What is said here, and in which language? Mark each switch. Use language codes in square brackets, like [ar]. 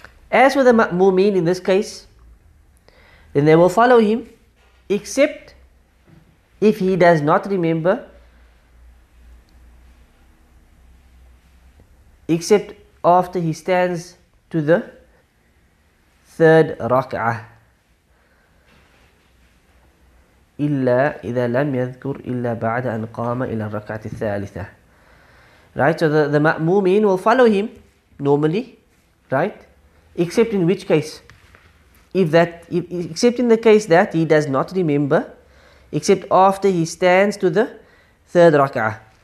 [en] As for the Mu'min in this case, then they will follow him, except if he does not remember, except after he stands to the third rak'ah. [ar] إلا إذا لم يذكر إلا بعد أن قام إلى الركعة الثالثة. [en] Right, so the Ma'mumin will follow him normally, right? Except in which case? Except in the case that he does not remember, except after he stands to the third rak'ah.